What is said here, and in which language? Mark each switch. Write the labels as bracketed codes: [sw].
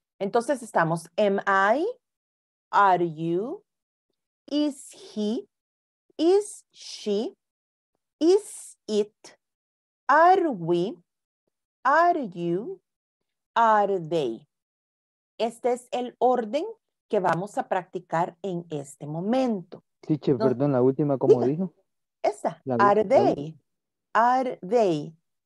[es] Entonces estamos, [en] am I, are you, is he, is she, is it, are we, are you, are they. [es] Este es el orden que vamos a practicar en este momento. Teacher, no, perdón, la última, ¿cómo diga, dijo? Esta, la, are la, they, la, are they.